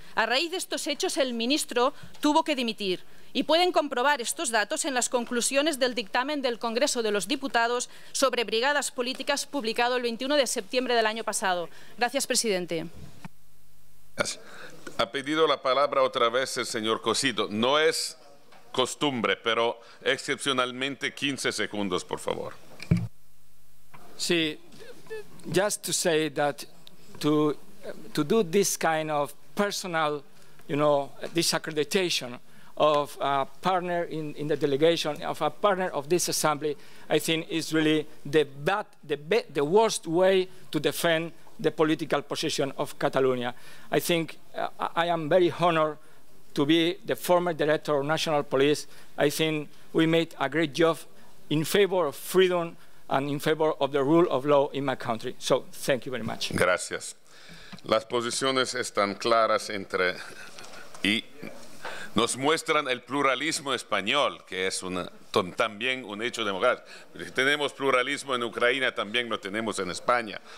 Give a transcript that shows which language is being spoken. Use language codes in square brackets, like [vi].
[es] A raíz de estos hechos, el ministro tuvo que dimitir. Y pueden comprobar estos datos en las conclusiones del dictamen del Congreso de los Diputados sobre brigadas políticas publicado el 21 de septiembre del año pasado. Gracias, presidente. Ha pedido la palabra otra vez el señor Cosito. No es costumbre, pero excepcionalmente 15 segundos, por favor. [en] Sí, just to say that to do this kind of personal, you know, disaccreditation of a partner in the delegation, of a partner of this assembly, I think is really the worst way to defend the political position of Catalonia. I think I am very honored to be the former director of National Police. I think we made a great job in favor of freedom and in favor of the rule of law in my country. So thank you very much. [es] Gracias. Las posiciones están claras entre y nos muestran el pluralismo español, que es también un hecho democrático. Si tenemos pluralismo en Ucrania, también lo tenemos en España.